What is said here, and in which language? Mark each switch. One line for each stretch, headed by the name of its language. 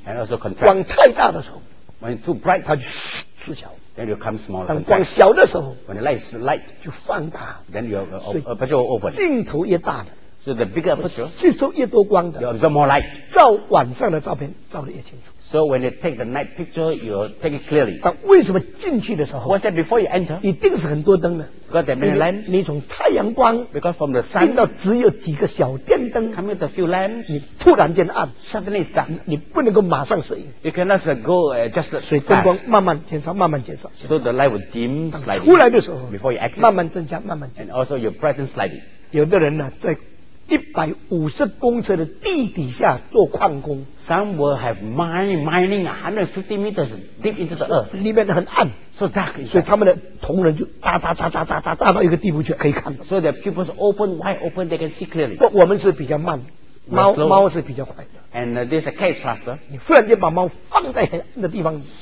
English: and also contract
Chinese: 光太大的时候
English: when too bright
Chinese: 它就缩小
English: then you'll come smaller
Chinese: 当光小的时候
English: when the light is light
Chinese: 就放大
English: then you'll aperture open
Chinese: 镜头越大的
English: so the bigger aperture
Chinese: 吸收越多光的
English: you'll absorb more light
Chinese: 照晚上的照片照得越清楚
English: so when you take the night picture you'll take it clearly
Chinese: 但为什么进去的时候
English: what's that before you enter
Chinese: 一定是很多灯的
English: Because there are many lamps.
Chinese: 你从太阳光
English: Because from the sun,
Chinese: 进到只有几个小电灯
English: Coming with a few lamps,
Chinese: 你突然间暗
English: Suddenly it's dark.
Chinese: 你不能够马上适应
English: You cannot go just fast.
Chinese: 所以灯光慢慢减少慢慢减少
English: So the light will dim slightly.
Chinese: 出来的时候
English: Before you exit.
Chinese: 慢慢增加慢慢减少
English: And also you brighten slightly.
Chinese: 有的人呢在150公尺的地底下做矿工
English: Some will have mining 150 meters deep into the earth.
Chinese: 里面很暗
English: So dark inside.
Chinese: 所以他们的瞳仁就大大大大大大大到一个地步去可以看到。
English: So their pupils open wide open, they can see clearly.
Chinese: 不，我们是比较慢，猫 猫是比较快的。
English: And there's a cat faster.
Chinese: 你忽然间把猫放在黑暗的地方